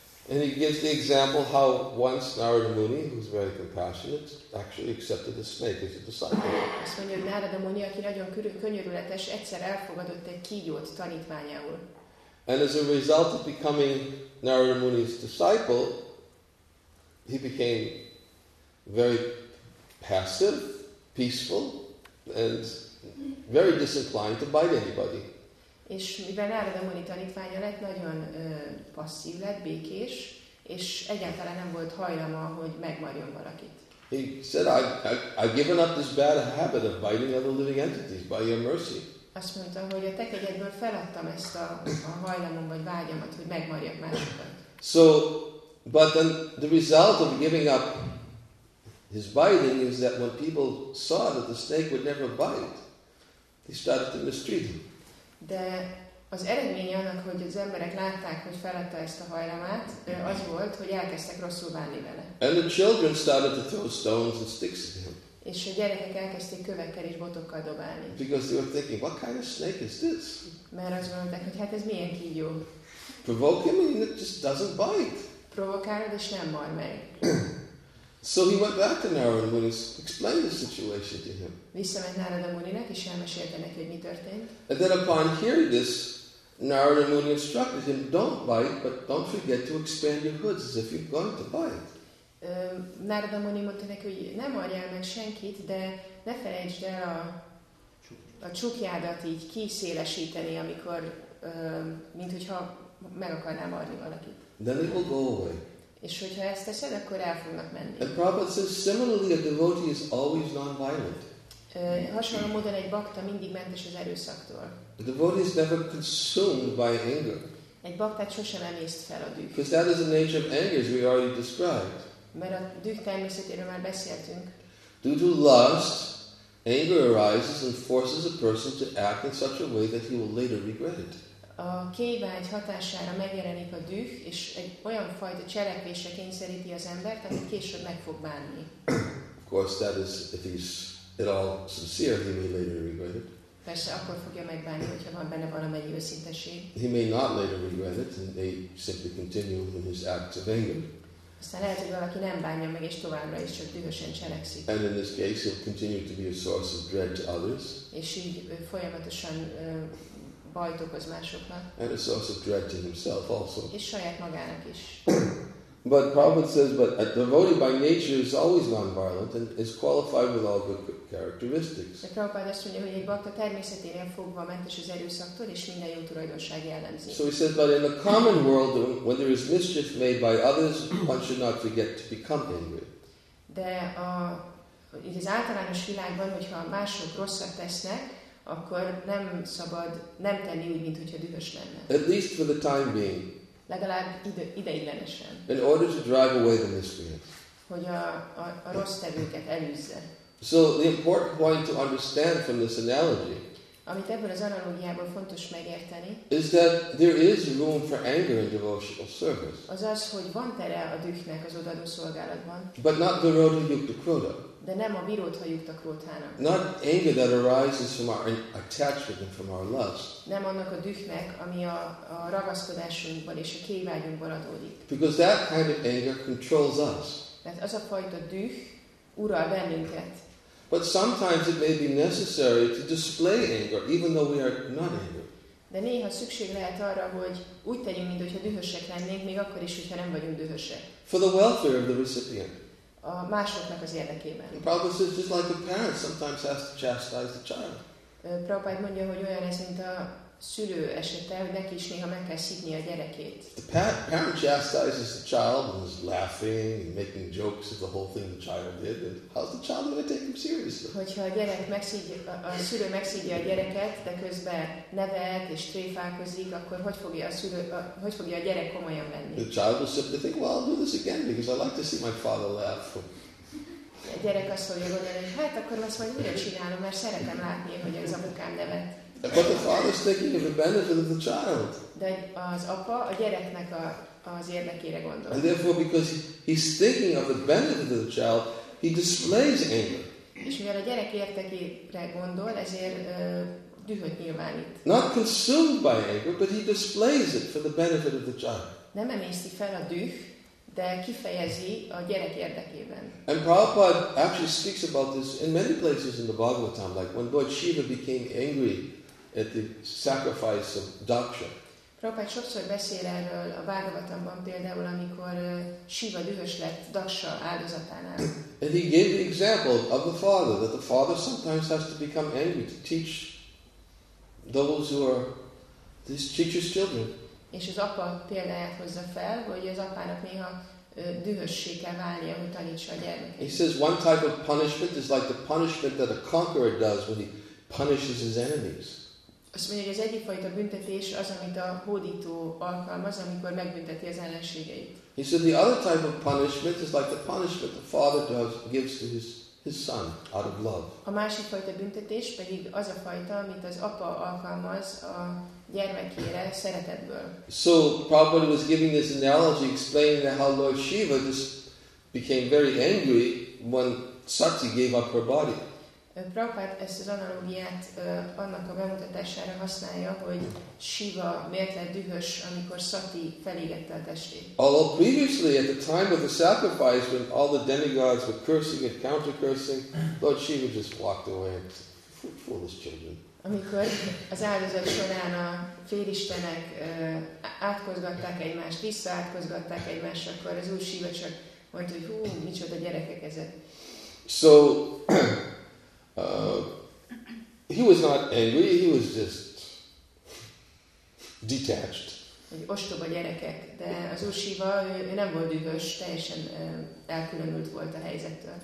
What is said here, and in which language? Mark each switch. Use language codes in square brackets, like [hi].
[en] And he gives the example how once Narada Muni, who was very compassionate, actually accepted the snake as a disciple. [hu] Azt mondja, hogy Narada Muni, aki nagyon könyörületes, egyszer elfogadott egy kígyót tanítványául. [en] And as a result of becoming Narada Muni's disciple, he became very passive, peaceful, and very disinclined to bite anybody. [hu] És mivel Nárada Muni tanítványa lett, nagyon passzív lett, békés, és egyáltalán nem volt hajlama, hogy megmarjon valakit. [en] He said, I've given up this bad habit of biting other living entities by your mercy. [hu] Azt mondta, hogy a te kegyedből feladtam ezt a hajlamom vagy vágyamat, hogy megmarjak másokat. [en] So, but then the result of giving up his biting is that when people saw that the snake would never bite, they started to mistreat him. [hu] De az eredménye annak, hogy az emberek látták, hogy feladta ezt a hajlamát, az volt, hogy elkezdtek rosszul bánni vele. [en] And the children started to throw stones and sticks at him. [hu] És a gyerekek elkezdték kövekkel és botokkal dobálni. [en] Because they were thinking, what kind of snake is this? [hu] Mert azt mondták, hogy hát ez milyen kígyó. [en] Provoke him and it just doesn't bite. [hu] Provokálod és nem marj meg. [en] So he went back to Narada Muni and explained the situation to him. [hu] Visszament Narada Muninek és elmesélte neki, hogy mi történt. [en] And then upon hearing this, Narada Muni instructed him, don't bite, but don't forget to expand your hoods as if you're going to bite. [hu] Narada Muni mondta neki, hogy ne marjál meg senkit, de ne felejtsd el a csukjádat így kiszélesíteni, amikor, minthogyha meg akarnál marni valakit. [en] Then it will go away. [hu] És hogyha ezt teszed, akkor el fognak menni. [en] And Prabhupada says, similarly, a devotee is always non-violent. [hu] Hasonló módon egy bakta mindig mentes az erőszaktól. [en] A devotee is never consumed by anger. [hu] Egy baktát sosem emészt fel a düh. [en] Because that is the nature of anger, as we already described. [hu] Mert a düh természetéről már beszéltünk. [en] Due to lust, anger arises and forces a person to act in such a way that he will later regret it. [hu] A kévágy hatására megjelenik a düh, és egy olyan fajta cselekvésre kényszeríti az embert, amit később meg fog bánni. [en] Of course, that is, if he's at all sincere, he may later regret it. [hu] Persze, akkor fogja megbánni, hogyha van benne valamennyi őszinteség. [en] He may not later regret it, and may simply continue in his acts of anger. [hu] Aztán lehet, hogy valaki nem bánja meg, és továbbra is csak dühösen cselekszik. [en] And in this case, he'll continue to be a source of dread to others. [hu] És így folyamatosan bajt okoz másoknak. [en] And a source of dread to himself also. [hu] És saját magának is. [en] But Prabhupada says, but a devotee by nature is always non-violent and is qualified with all good characteristics. [hu] De Prabhupada azt mondja, hogy egy bakta természetére fogva mentes az erőszaktól, és minden jó tulajdonság jellemzi. [en] So he says, but in the common world, when there is mischief made by others, one should not forget to become angry. [hu] De az általános világban, hogyha mások rosszat tesznek, akkor nem szabad nem tenni úgy, mint hogyha dühös lenne. [en] At least for the time being. [hu] Legalább ideiglenesen. [en] In order to drive away the miscreants. [hu] Hogy a rossz tevőket elűzze. [en] So the important point to understand from this analogy. [hu] Amit ebből az analógiából fontos megérteni. [en] Is that there is room for anger in devotional service. [hu] Azaz, hogy van tere a dühnek az odaadó szolgálatban. [en] But not the road to Yukta Krodha. [hu] De nem a virodha Yukta Krodhának. [en] Not anger that arises from our attachment and from our lust. [hu] Nem annak a dühnek, ami a ragaszkodásunkból és a kévágyunkból adódik. [en] Because that kind of anger controls us. [hu] Mert az a fajta düh ural bennünket. [en] But sometimes it may be necessary to display anger, even though we are not angry. [hu] De néha szükség lehet arra, hogy úgy tegyünk, mintha dühösek lennénk, még akkor is, hogyha nem vagyunk dühösek. [en] For the welfare of the recipient. [hu] A másoknak az érdekében. [en] Prabhupada says, just like a parent sometimes has to chastise the child. [hu] Prabhupada mondja, hogy olyan ez, mint a szülő esete, hogy neki is néha meg kell szidni a gyerekét. [en] The parent chastises the child and is laughing and making jokes at the whole thing the child did. And how's the child going to take him seriously? [hu] Hogyha a gyerek megszidja, a szülő megszidja a gyereket, de közben nevet és tréfálkozik, akkor hogy fogja a szülő, hogy fogja a gyerek komolyan venni? [en] The child will simply think, well, I'll do this again because I like to see my father laugh. [hu] A gyerek azt fogja gondolni, hogy hát akkor azt majd újra csinálom, mert szeretem látni, hogy az apukám nevet. [en] But the father is thinking of the benefit of the child. [hu] De az apa a gyereknek az érdekére gondol. [en] And therefore, because he's thinking of the benefit of the child, he displays anger. [hu] És mivel a gyerek érdekére gondol, ezért dühöt nyilvánít. [en] Not consumed by anger, but he displays it for the benefit of the child. [hu] Nem emészti fel a düh, de kifejezi a gyerek érdekében. [en] And Prabhupada actually speaks about this in many places in the Bhagavatam, like when Lord Shiva became angry at the sacrifice of Daksha. [hu] Prabhupada sokszor beszél erről a Bhagavatamban, például amikor Shiva dühös lett Daksha áldozatánál. [en] And he gave the example of the father, that the father sometimes has to become angry to teach those who are This teaches children. [hu] És az apa példáját hozza fel, hogy az apának néha dühössé kell válnia, hogy tanítsa a gyermeket. [en] He says one type of punishment is like the punishment that a conqueror does when he punishes his enemies. [hu] Azt mondja, hogy az egyik fajta büntetés az, amit a hódító alkalmaz, amikor megbünteti az ellenségeit. [en] He said the other type of punishment is like the punishment the father does gives to his son out of love. [hu] A másik fajta büntetés pedig az a fajta, amit az apa alkalmaz a gyermekére szeretetből. [en] So Prabhupada was giving this analogy, explaining how Lord Shiva just became very angry when Sati gave up her body. [hu] Prabhupada ezt az analógiát annak a bemutatására használja, hogy Shiva miért lett dühös, amikor Sati felégette a testét. [en] Although previously, at the time of the sacrifice, when all the demigods were cursing and counter-cursing, Lord Shiva just walked away and said, foolish children. [hu] Amikor az áldozat során a félistenek átkozgatták egymást, visszaátkozgatták egymást, akkor az úr Shiva csak mondta, hogy hú, micsoda gyerekek ezek. [en] So, he was not angry, he was just detached. [hu] Egy ostoba gyerekek, de az úr Shiva, ő nem volt dühös, teljesen elkülönült volt a helyzettől.